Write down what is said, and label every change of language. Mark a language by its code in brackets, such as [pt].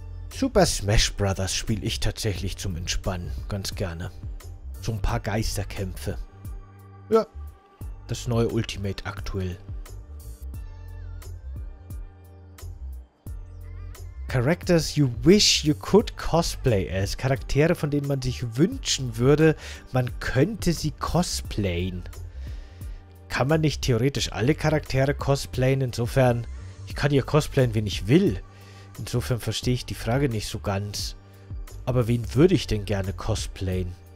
[de] Super Smash Brothers spiele ich tatsächlich zum Entspannen, ganz gerne. So ein paar Geisterkämpfe. Ja, das neue Ultimate aktuell. [en] Characters you wish you could cosplay as. [de] Charaktere, von denen man sich wünschen würde, man könnte sie cosplayen. Kann man nicht theoretisch alle Charaktere cosplayen? Insofern, ich kann hier cosplayen, wen ich will. Insofern verstehe ich die Frage nicht so ganz. Aber wen würde ich denn gerne cosplayen?